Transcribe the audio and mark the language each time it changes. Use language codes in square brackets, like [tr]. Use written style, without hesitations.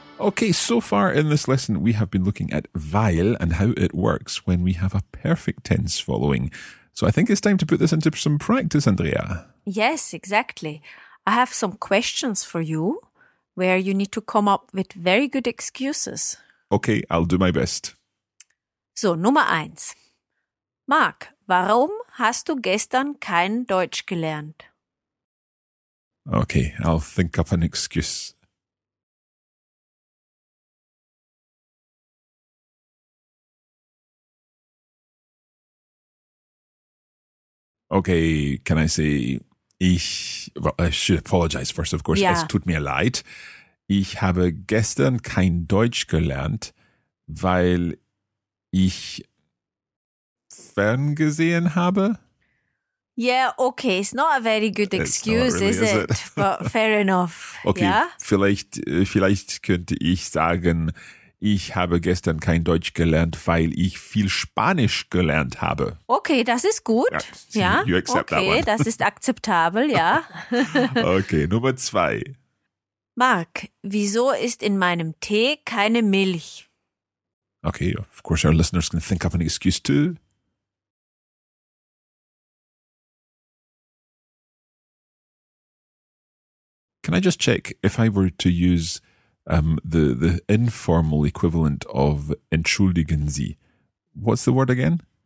[en] Okay, so far in this lesson, we have been looking at weil and how it works when we have a perfect tense following. So I think it's time to put this into some practice, Andrea. Yes, exactly. I have some questions for you where you need to come up with very good excuses. Okay, I'll do my best. [de] So, Nummer 1. Marc, warum hast du gestern kein Deutsch gelernt? [en] Okay, I'll think up an excuse. Okay, can I say, I should apologize first, of course. [de] Yeah. Es tut mir leid. Ich habe gestern kein Deutsch gelernt, weil ich ferngesehen habe. [en] Yeah, okay, it's not a very good excuse, really, is it? But fair enough. Okay, yeah? [de] vielleicht könnte ich sagen, ich habe gestern kein Deutsch gelernt, weil ich viel Spanisch gelernt habe. Okay, das ist gut. Ja, [en] so you accept okay, that one. [de] Das ist akzeptabel, ja. Okay, Nummer zwei. Mark, wieso ist in meinem Tee keine Milch? [en] Okay, of course our listeners can think of an excuse too. Can I just check if I were to use the informal equivalent of [de] entschuldigen Sie? [en] What's the word again?